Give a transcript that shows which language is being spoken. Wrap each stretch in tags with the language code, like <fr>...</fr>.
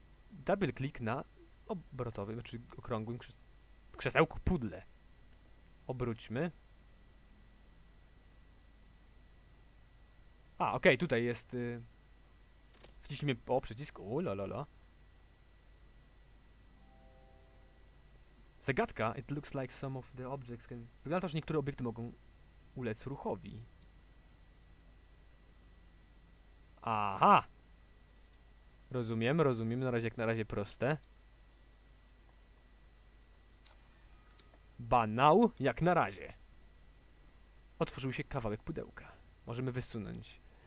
<pl>Double click na obrotowym, czyli okrągłym krzesełku pudle. Obróćmy. A, okej, okay, tutaj jest... wciśnijmy po przycisku, lololo.</pl> <en>Zagadka, it looks like some of the objects can...</en> <pl>wygląda to, że niektóre obiekty mogą ulec ruchowi. Aha! Rozumiem, na razie jak na razie proste. Banał, jak na razie. Otworzył się kawałek pudełka. Możemy wysunąć.</pl>